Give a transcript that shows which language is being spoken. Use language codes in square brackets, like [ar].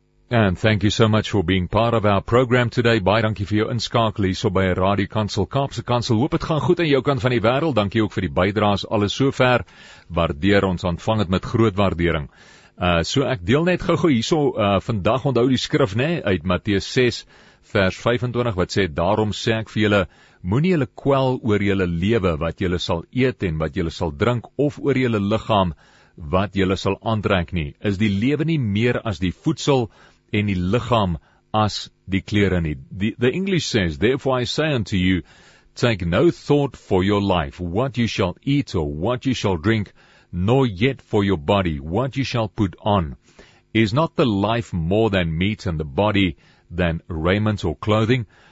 [en] And thank you so much for being part of our program today. [af] Baie dankie vir jou inskakel hier so by Radio Kansel, Kaapse Kansel. Hoop het gaan goed aan jou kant van die wêreld. Dankie ook vir die bydraes alles sover. Waardeer ons ontvang het met groot waardering. So ek deel net gou-gou hier so vandag onthou die skrif nê uit Matteus 6 vers 25 wat sê daarom sê ek vir julle moenie julle kwel oor julle lewe wat julle sal eet en wat julle sal drink of oor julle liggaam wat julle sal aantrek nie, is die lewe nie meer as die voedsel en die liggaam as die klere nie. [en] The English says, therefore I say unto you, take no thought for your life, what you shall eat or what you shall drink, nor yet for your body, what you shall put on. Is not the life more than meat and the body than raiment or clothing?